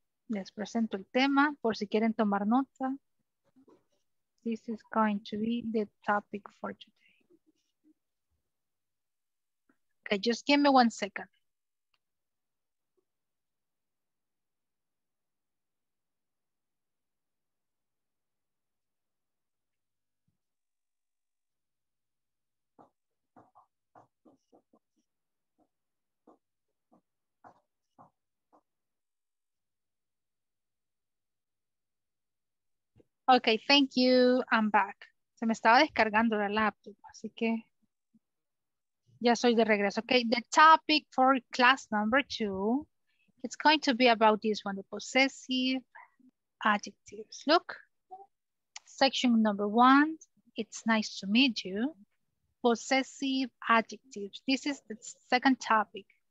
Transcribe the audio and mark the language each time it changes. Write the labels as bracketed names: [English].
[Spanish] Les presento el tema, por si quieren tomar nota. [English] This is going to be the topic for today. Okay, just give me 1 second. Okay, thank you, I'm back. [Spanish] Se me estaba descargando la laptop, así que ya soy de regreso. [English] Okay, the topic for class number 2, it's going to be about this one, the possessive adjectives. Look, section number 1, it's nice to meet you. Possessive adjectives, this is the second topic.